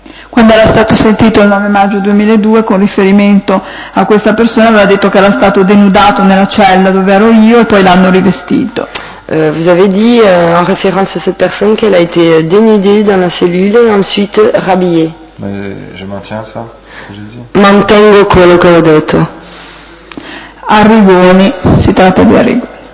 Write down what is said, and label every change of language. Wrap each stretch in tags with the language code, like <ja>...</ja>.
<it>Quando era stato sentito il 9 maggio 2002 con riferimento a questa persona aveva detto che era stato denudato nella cella dove ero io e poi l'hanno rivestito.</it> <fr>Vous avez dit en référence à cette personne qu'elle a été dénudée dans la cellule et ensuite rhabillée. Mais je maintiens ça, je dis.</fr> <it>Mantengo quello che ho detto. Arrigoni, si tratta di Arrigoni.</it>